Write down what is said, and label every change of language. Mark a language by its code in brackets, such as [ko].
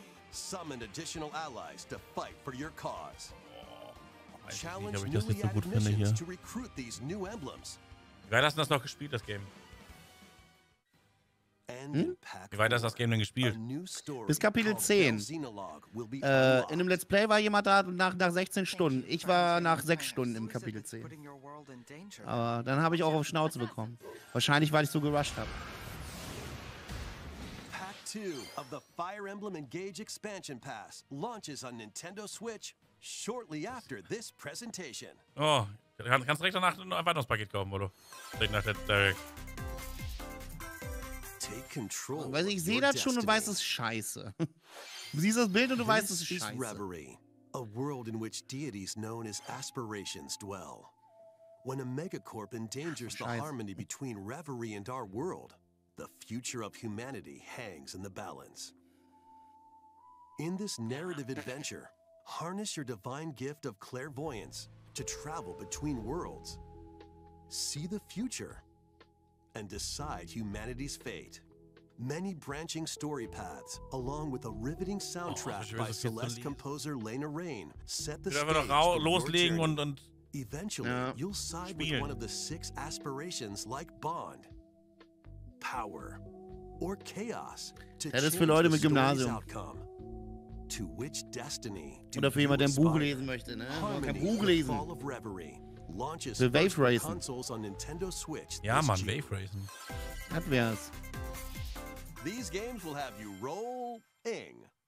[en] Summon additional allies to fight for your cause. Challenge new missions to recruit these new emblems. [de] Wie weit hast du das noch gespielt, das Game? Wie weit hast du das Game denn gespielt? Bis Kapitel 10. In einem Let's Play war jemand da nach 16 Stunden. Ich war nach 6 Stunden im Kapitel 10. Aber dann habe ich auch auf Schnauze bekommen. Wahrscheinlich, weil ich so gerusht habe. [en] Pack 2 of the Fire Emblem Engage Expansion Pass launches on Nintendo Switch shortly after this presentation. Oh, [de] Kannst direkt danach ein Erweiterungspaket kaufen, Molo. Direkt nach der Direct. [en] Take control. [de] Weißt du, ich sehe das schon und weiß, es ist scheiße. Du siehst das Bild und du weißt, es ist scheiße. [en] Reverie, a world in which deities known as aspirations dwell. When a megacorp endangers the harmony between Reverie and our world, the future of humanity hangs in the balance. In this narrative adventure, harness your divine gift of clairvoyance to travel between worlds. See the future and decide humanity's fate. Many branching story paths, along with a riveting soundtrack by Celeste composer Lena Raine, set the stage for your journey. Eventually, you'll side with one of the six aspirations like Bond, Power, or Chaos to change the story's outcome. To which destiny [de] do oder für jemand, der ein Buch lesen möchte, ne? Kein Buch lesen. Für Wave Racen. Ja, Mann, Wave Racen. Das wär's. [en] These games will have you rolling.